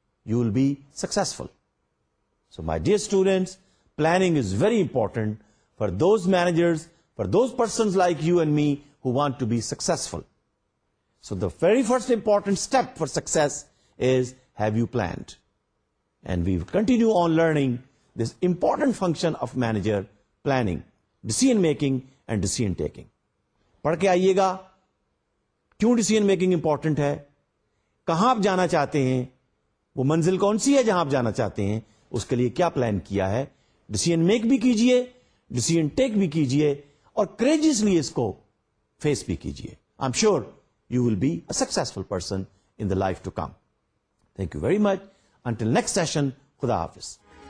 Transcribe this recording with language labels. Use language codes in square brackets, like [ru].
[en] You will be successful. So my dear students, planning is very important for those managers, for those persons like you and me who want to be successful. So the very first important step for success is, have you planned? And we continue on learning this important function of manager, planning. Decision making and decision taking. [ur] پڑھ کے آئیے گا کیوں decision making important ہے, کہاں آپ جانا چاہتے ہیں, وہ منزل کون سی ہے جہاں آپ جانا چاہتے ہیں, اس کے لیے کیا پلان کیا ہے. ڈیسیژن میک بھی کیجئے, ڈیسیژن ٹیک بھی کیجئے, اور کریجیسلی اس کو فیس بھی کیجئے. [en] I'm sure you will be a successful person in the life to come. Thank you very much. Until next session, [ur] خدا حافظ.